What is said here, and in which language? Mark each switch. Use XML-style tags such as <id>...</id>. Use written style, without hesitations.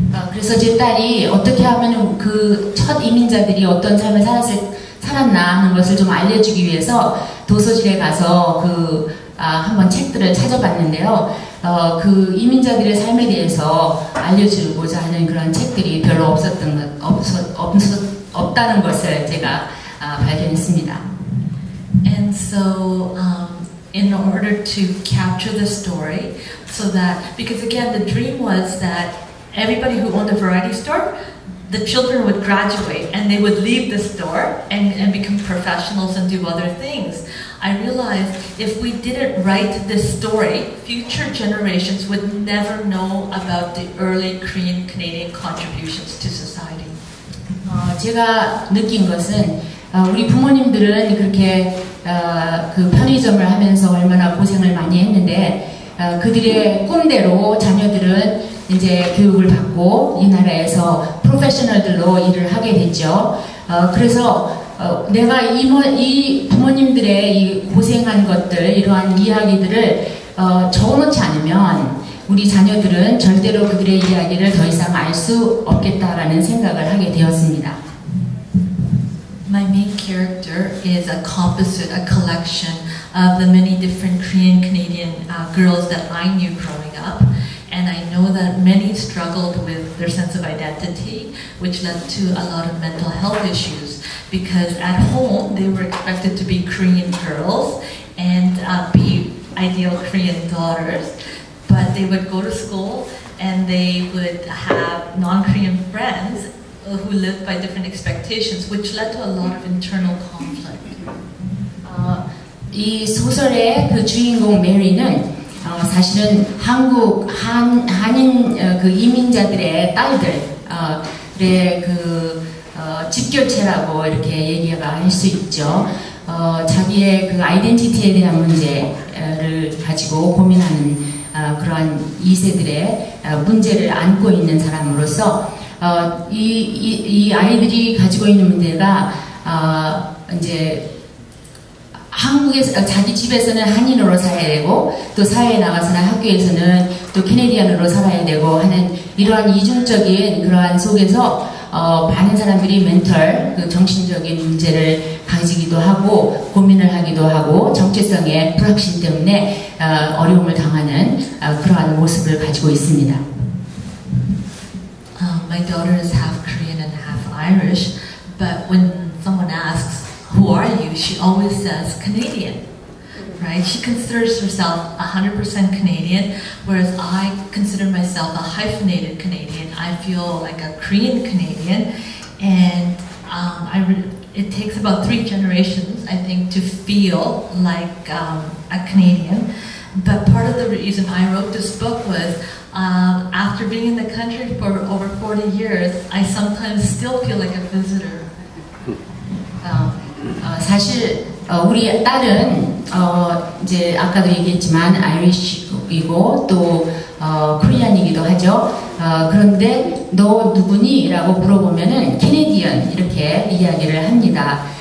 <ko>그래서 제 딸이 어떻게 하면 그 첫 이민자들이 어떤 삶을 살았나 하는 것을 좀 알려주기 위해서 도서실에 가서 그 한번 책들을 찾아봤는데요. 그 이민자들의 삶에 대해서 알려주고자 하는 그런 책들이 별로 없다는 것을 제가 발견했습니다.</ko> <en>And so in order to capture the story so that because again the dream was that everybody who owned a variety store the children would graduate and they would leave the store and become professionals and do other things. I realized if we didn't write this story, future generations would never know about the early Korean Canadian contributions to society.</en> <ko>제가 느낀 것은 우리 부모님들은 그렇게 그 편의점을 하면서 얼마나 고생을 많이 했는데 그들의 꿈대로 자녀들은 이제 교육을 받고 이 나라에서 프로페셔널들로 일을 하게 됐죠. 그래서 내가 이 부모님들의 이 고생한 것들, 이러한 이야기들을 적어놓지 않으면 우리 자녀들은 절대로 그들의 이야기를 더 이상 알 수 없겠다라는 생각을 하게 되었습니다.</ko> <en>My main character is a composite, a collection of the many different Korean Canadian girls that I knew growing up. And I know that many struggled with their sense of identity, which led to a lot of mental health issues. Because at home, they were expected to be Korean girls and be ideal Korean daughters. But they would go to school and they would have non-Korean friends who lived by different expectations, which led to a lot of internal conflict.</en> <ko>이 소설의 그 주인공 메리는 사실은 한국 한인 그 이민자들의 딸들의 그 직결체라고 이렇게 얘기가 할 수 있죠. 자기의 그 아이덴티티에 대한 문제를 가지고 고민하는 그런 2세들의 문제를 안고 있는 사람으로서 이 아이들이 가지고 있는 문제가 이제 한국에서 자기 집에서는 한인으로 살아야 되고 또 사회에 나가서는 학교에서는 또 캐네디언으로 살아야 되고 하는 이러한 이중적인 그러한 속에서 많은 사람들이 멘탈, 그 정신적인 문제를 가지기도 하고 고민을 하기도 하고 정체성의 불확실 때문에 어려움을 당하는 그러한 모습을 가지고 있습니다.</ko> <en>My daughter is half Korean and half Irish, but when someone asks, who are you? She always says Canadian, right? She considers herself 100% Canadian, whereas I consider myself a hyphenated Canadian. I feel like a Korean Canadian, and it takes about 3 generations, I think, to feel like a Canadian. But part of the reason I wrote this book was after being in the country for over 40 years, I sometimes still feel like a visitor.</en> <ko>사실 우리 딸은 이제 아까도 얘기했지만 아이리시이고 또 코리안이기도 하죠. 그런데 너 누구니? 라고 물어보면은 캐네디언 이렇게 이야기를 합니다.</ko>